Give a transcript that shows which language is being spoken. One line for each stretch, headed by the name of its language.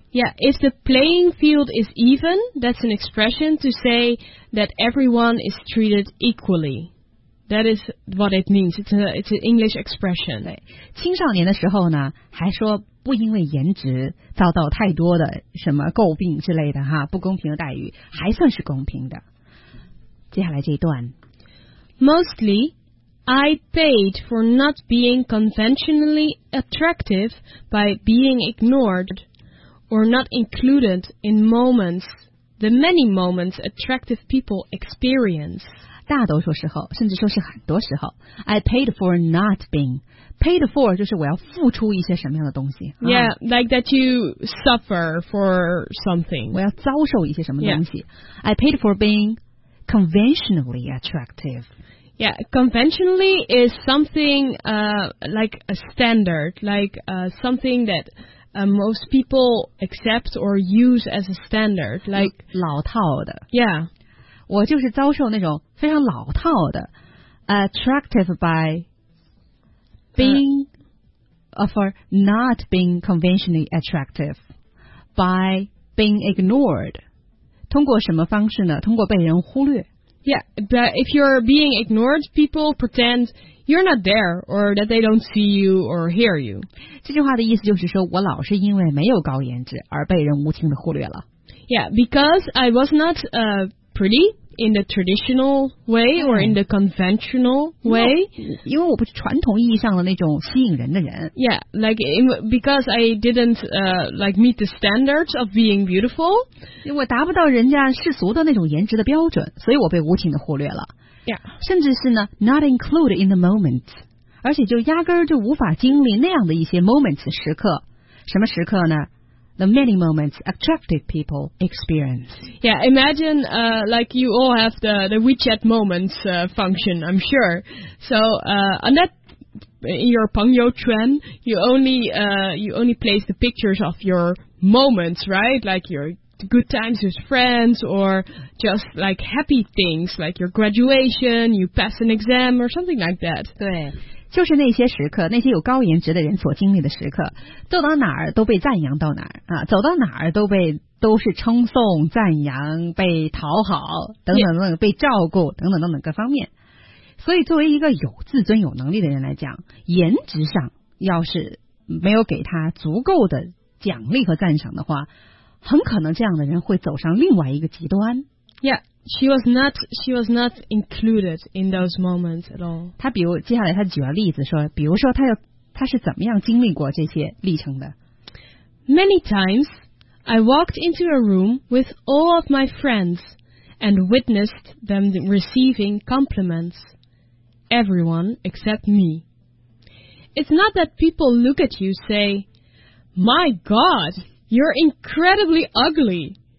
English: Yeah, if the playing field is even, that's an expression to say that everyone is treated equally. That is what it means. It's an English expression.
Chinese: 对，青少年的时候呢，还说不因为颜值遭到太多的什么诟病之类的哈，不公平的待遇，还算是公平的。接下来这一段。
English: Mostly,I paid for not being conventionally attractive by being ignored or not included in moments the many moments attractive people experience.
Chinese: 大多数时候，甚至说是很多时候。
English: I paid for not being. Paid for
Chinese: 就是我要付出一些什么样的东西。
English: Yeah, like that you suffer for something.
Chinese: 我要遭受一些什么东西。
English: Yeah. I paid for being conventionally attractive. Yeah, conventionally is something like a standard, like something that most people accept or use as a standard, like
Chinese: 老套的。
English: Yeah,
Chinese: 我就是遭受那种非常老套的
English: attractive by being for not being conventionally attractive by being ignored.
Chinese: 通过什么方式呢？通过被人忽略。
English: Yeah, but if you're being ignored, people pretend you're not there or that they don't see you or hear you.
Chinese: 这句话的意思就是说我老是因为没有高颜值而被人无情地忽略了。
English: Yeah, because I was not pretty in the traditional way or in the conventional way.
Chinese: 因为我不是传统意义上的那种吸引人的人。
English: Yeah, like because I didn't meet the standards of being beautiful.
Chinese: 因为我达不到人家世俗的那种颜值的标准，所以我被无情的忽略了。
English: Yeah.
Chinese: 甚至是呢
English: not included in the moments.
Chinese: 而且就压根就无法经历那样的一些 moments 时刻。什么时刻呢？
English: The many moments attractive people experience. Yeah, imagine like you all have the WeChat moments function, I'm sure. So on that, in your Pengyou trend, you only place the pictures of your moments, right? Like your good times with friends or just like happy things, like your graduation, you pass an exam or something like that.
Chinese: 对。就是那些时刻，那些有高颜值的人所经历的时刻，走到哪儿都被赞扬到哪儿啊，走到哪儿都是称颂、赞扬、被讨好等等等等，被照顾等等等等各方面。所以，作为一个有自尊、有能力的人来讲，颜值上要是没有给他足够的奖励和赞赏的话，很可能这样的人会走上另外一个极端。
English: Yeah. She was not included in those moments at all.
Chinese: 他比如接下来他举了例子说，比如说他是怎么样经历过这些历程的。
English: Many times I walked into a room with all of my friends and witnessed them receiving compliments. Everyone except me. It's not that people look at you say, "My God, you're incredibly ugly.